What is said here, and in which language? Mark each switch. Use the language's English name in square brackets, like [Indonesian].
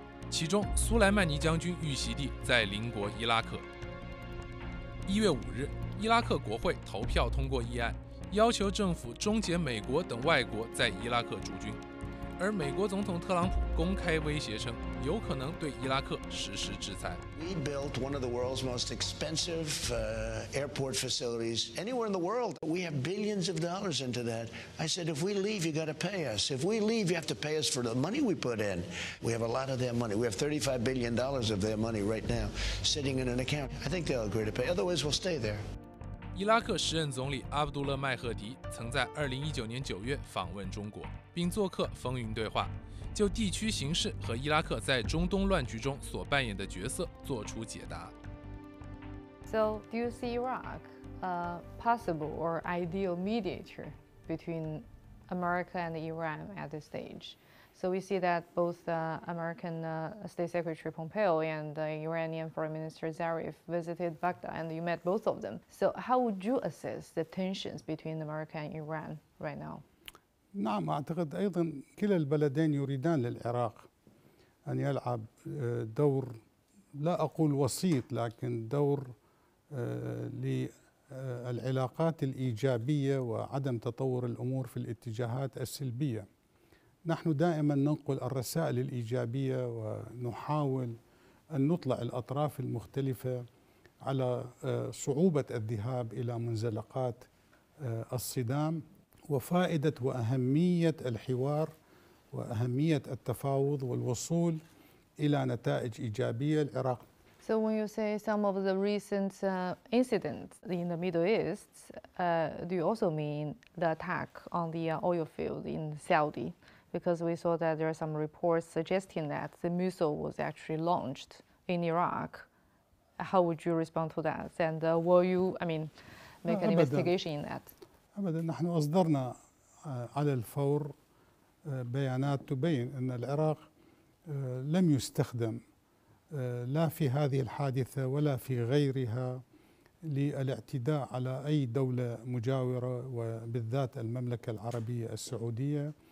[Chinese] 其中，苏莱曼尼将军遇袭地在邻国伊拉克。 1月5日，伊拉克国会投票通过议案，要求政府终结美国等外国在伊拉克驻军，而美国总统特朗普公开威胁称，有可能对伊拉克实施制裁。 [English] We built one of the world's most expensive airport facilities anywhere in the world. We have billions of dollars into that. I said, if we leave, you got to pay us. If we leave, you have to pay us for the money we put in. We have a lot of their money. We have $35 billion of their money right now sitting in an account. I think they'll agree to pay. Otherwise, we'll stay there. [Chinese] 伊拉克时任总理阿卜杜勒麦赫迪曾在2019年9月访问中国，并做客风云对话，就地区形势和伊拉克在中东乱局中所扮演的角色做出解答。 [English] So, do you see Iraq a possible or ideal mediator between America and Iran at this stage? So we see that both American State Secretary Pompeo and the Iranian Foreign Minister Zarif visited Baghdad, and you met both of them. So how would you assess the tensions between America and Iran right now? [Arabic] نعم أعتقد أيضا كلا البلدين يريدان للعراق أن يلعب دور لا أقول وسيط لكن دور للعلاقات الإيجابية وعدم تطور الأمور في الاتجاهات السلبية. نحن دائما ننقل الرسائل الإيجابية ونحاول أن نطلع الأطراف المختلفة على صعوبة الذهاب إلى منزلقات الصدام وفائدة وأهمية الحوار وأهمية التفاوض والوصول إلى نتائج إيجابية للعراق. [English] So when you say some of the recent incidents in the Middle East, do you also mean the attack on the oil field in Saudi? Because we saw that there are some reports suggesting that the missile was actually launched in Iraq. How would you respond to that? And will you, make an investigation in that? [Arabic] أبدا نحن أصدرنا على الفور بيانات تبين أن العراق لم يستخدم لا في هذه الحادثة ولا في غيرها للاعتداء على أي دولة مجاورة وبالذات المملكة العربية السعودية.